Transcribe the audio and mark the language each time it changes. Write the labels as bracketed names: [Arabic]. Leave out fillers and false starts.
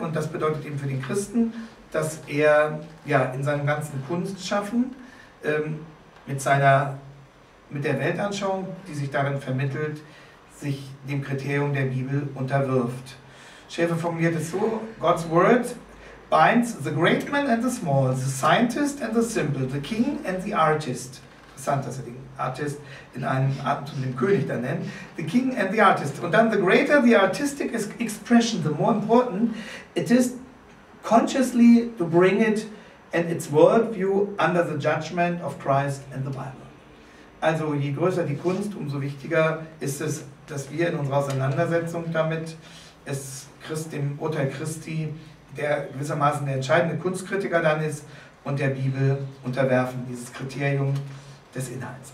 [German] Und das bedeutet eben für den Christen, dass er ja, in seinem ganzen Kunstschaffen mit der Weltanschauung, die sich darin vermittelt, sich dem Kriterium der Bibel unterwirft. Schaeffer formuliert es so, [English] God's word binds the great man and the small, the scientist and the simple, the king and the artist. [German] Interessant, dass er den Artist in einem Atemzug den König dann nennt. [English] The king and the artist. [German] Und dann, [English] the greater the artistic expression, the more important it is consciously to bring it and its worldview under the judgment of Christ and the Bible. [German] Also je größer die Kunst, umso wichtiger ist es, dass wir in unserer Auseinandersetzung damit es dem Urteil Christi, der gewissermaßen der entscheidende Kunstkritiker dann ist, und der Bibel unterwerfen, dieses Kriterium des Inhalts.